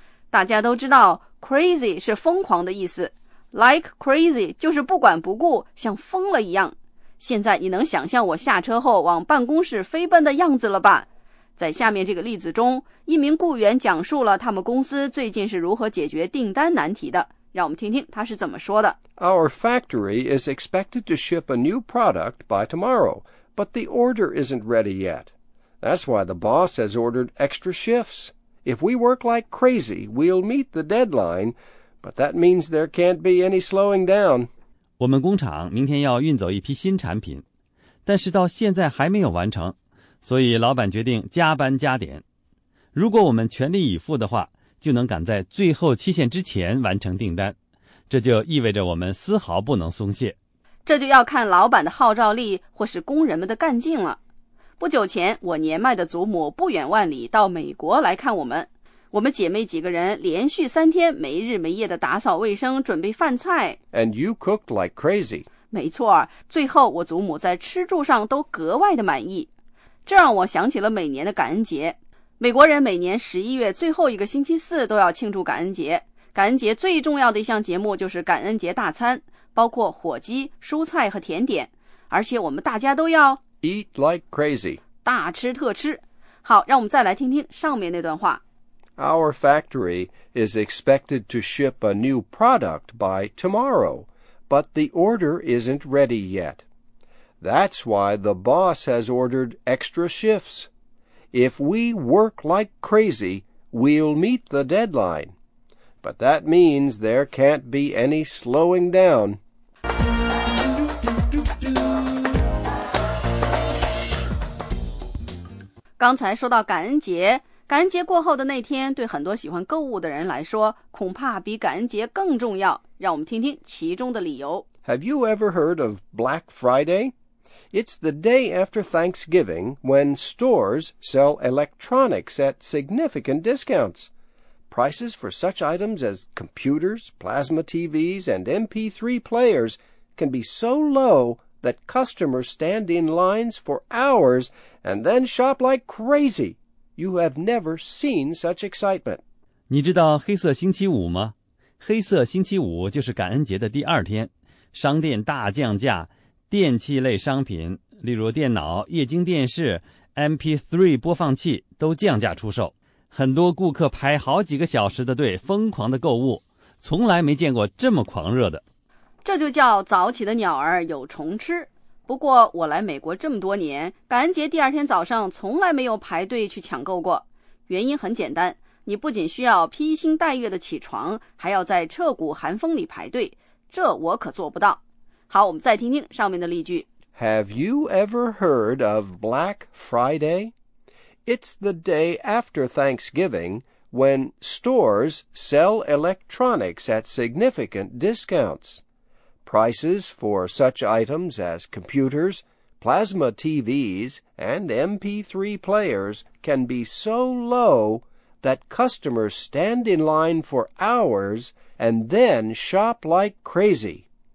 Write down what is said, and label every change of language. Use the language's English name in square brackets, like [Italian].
[Chinese] 大家都知道 crazy 是疯狂的意思。 [English] Like crazy [Chinese] 就是不管不顾，像疯了一样。现在你能想象我下车后往办公室飞奔的样子了吧？在下面这个例子中，一名雇员讲述了他们公司最近是如何解决订单难题的。让我们听听他是怎么说的。 [English] Our factory is expected to ship a new product by tomorrow, but the order isn't ready yet. That's why the boss has ordered extra shifts. If we work like crazy, we'll meet the deadline,But that means there can't be any slowing down. [Chinese] 我们工厂明天要运走一批新产品，但是到现在还没有完成，所以老板决定加班加点。如果我们全力以赴的话，就能赶在最后期限之前完成订单，这就意味着我们丝毫不能松懈。这就要看老板的号召力或是工人们的干劲了。不久前，我年迈的祖母不远万里到美国来看我们。我们姐妹几个人连续3天没日没夜地打扫卫生，准备饭菜。 [English] And you cooked like crazy. [Chinese] 没错，最后我祖母在吃住上都格外的满意。这让我想起了每年的感恩节。美国人每年11月最后一个星期四都要庆祝感恩节。感恩节最重要的一项节目就是感恩节大餐，包括火鸡、蔬菜和甜点。而且我们大家都要 [English] Eat like crazy， [Chinese] 大吃特吃。好，让我们再来听听上面那段话。 [English] Our factory is expected to ship a new product by tomorrow, but the order isn't ready yet. That's why the boss has ordered extra shifts. If we work like crazy, we'll meet the deadline. But that means there can't be any slowing down. [Chinese] 刚才说到感恩节，感恩节过后的那天对很多喜欢购物的人来说恐怕比感恩节更重要，让我们听听其中的理由。 [English] Have you ever heard of Black Friday? It's the day after Thanksgiving when stores sell electronics at significant discounts. Prices for such items as computers, plasma TVs, and MP3 players can be so low that customers stand in lines for hours and then shop like crazy. You have never seen such excitement. [Chinese] 你知道黑色星期五吗？黑色星期五就是感恩节的第二天，商店大降价，电器类商品，例如电脑、液晶电视、MP3 播放器都降价出售。很多顾客排好几个小时的队，疯狂的购物，从来没见过这么狂热的。这就叫早起的鸟儿有虫吃。不过我来美国这么多年，感恩节第二天早上从来没有排队去抢购过。原因很简单，你不仅需要披星戴月的起床，还要在彻骨寒风里排队，这我可做不到。好，我们再听听上面的例句。 [English] Have you ever heard of Black Friday? It's the day after Thanksgiving when stores sell electronics at significant discounts. Prices for such items as computers, plasma TVs, and MP3 players can be so low that customers stand in line for hours and then shop like crazy.